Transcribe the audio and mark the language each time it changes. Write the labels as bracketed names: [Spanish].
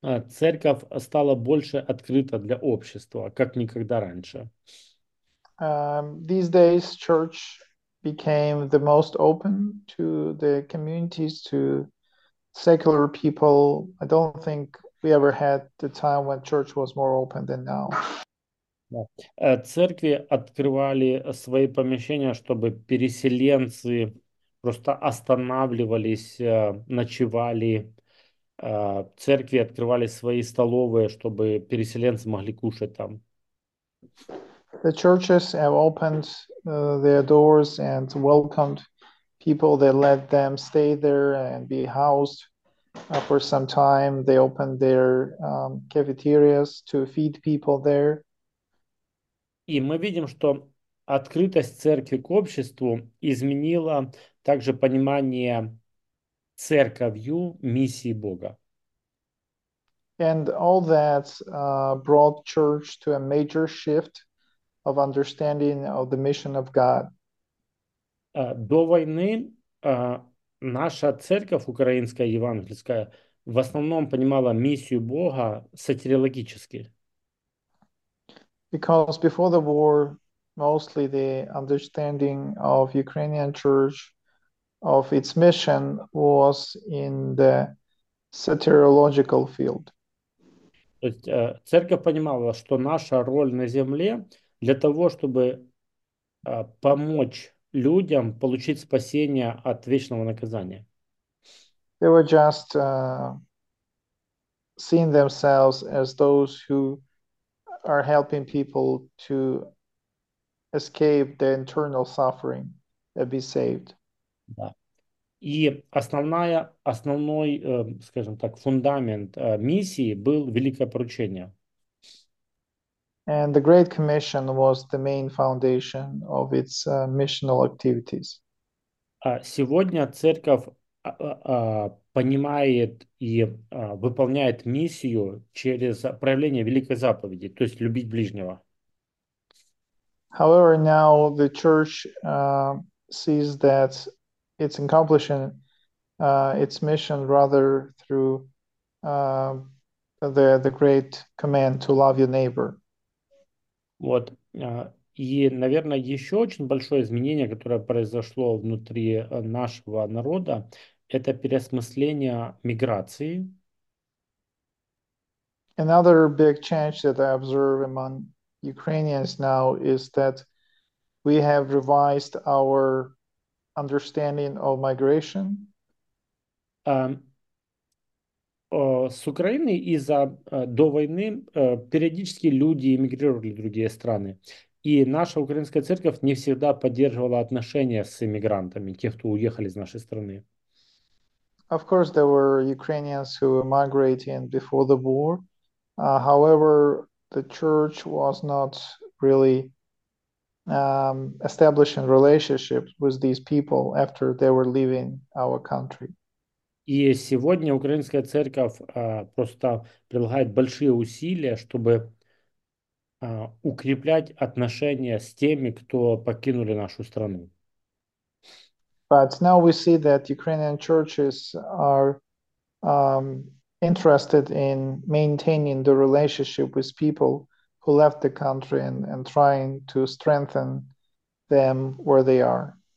[Russian] Церковь стала больше открыта для общества, как никогда раньше. [English] These days, church became the most open to the communities, to secular people. I don't think we ever had the time when church was more open than now. [Russian] Церкви открывали свои помещения, чтобы переселенцы просто останавливались, ночевали. Церкви открывали свои столовые, чтобы переселенцы могли кушать там. [English] The churches have opened their doors and welcomed people. They let them stay there and be housed for some time. They opened their cafeterias to feed people there. [Russian] И мы видим, что открытость церкви к обществу изменила также понимание церковью миссии Бога. [English] And all that brought church to a major shift of understanding of the mission of God. [Russian] До войны наша церковь украинская, евангельская, в основном понимала миссию Бога сотериологически. [English] Because before the war, mostly the understanding of Ukrainian church of its mission was in the soteriological field. [Russian] То есть церковь понимала, что наша роль на земле для того, чтобы помочь людям получить спасение от вечного наказания. [English] They were just seeing themselves as those who are helping people to escape the internal suffering and be saved. [Russian] Да. И основной, скажем так, фундамент миссии был великое поручение. [English] And the Great Commission was the main foundation of its missional activities. [Russian] Сегодня церковь понимает и выполняет миссию через проявление Великой Заповеди, то есть любить ближнего. [English] However, now the church sees that it's accomplishing its mission rather through the Great Command to love your neighbor. [Russian] Вот. И, наверное, еще очень большое изменение, которое произошло внутри нашего народа, это переосмысление миграции. [English] Another big change that I observe among Ukrainians now is that we have revised our understanding of migration. [Russian] С Украины из-за до войны периодически люди эмигрировали в другие страны. И наша украинская церковь не всегда поддерживала отношения с эмигрантами, тех, кто уехали из нашей страны. [English] Of course, there were Ukrainians who were migrating before the war, However, the church was not really establishing relationships with these people after they were leaving our country. [Russian] И сегодня Украинская Церковь просто прилагает большие усилия, чтобы укреплять отношения с теми, кто покинули нашу страну. [English] But now we see that Ukrainian churches are interested in maintaining the relationship with people who left the country and trying to strengthen them where they are.